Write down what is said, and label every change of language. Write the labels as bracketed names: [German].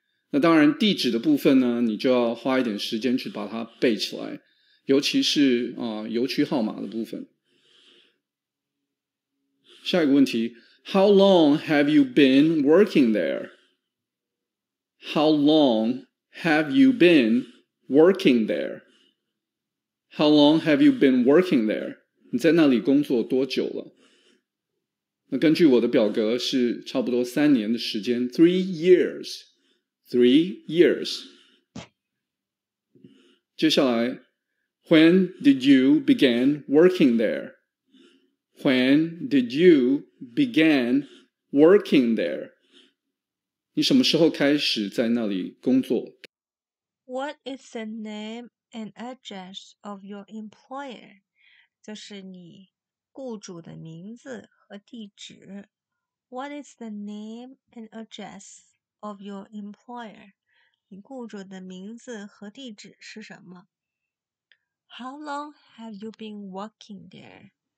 [Chinese] 那当然地址的部分呢你就要花一点时间去把它背起来，尤其是、邮区号码的部分。下一个问题， [English] How long have you been working there? How long have you been working there? How long have you been working there? [Chinese] 你在那里工作多久了？那根据我的表格是差不多三年的时间， [English] 3 years. [Chinese] 接下来， [English] When did you begin working there? When did you begin working there? [Chinese] 你什么时候开始在那里工作？ [English] What is the name and address of your employer? [Chinese] 就是你雇主的名字和地址。 [English] What is the name and address? Of your employer, [Chinese] 你雇主的名字和地址是什么？ [English] How long have you been working there?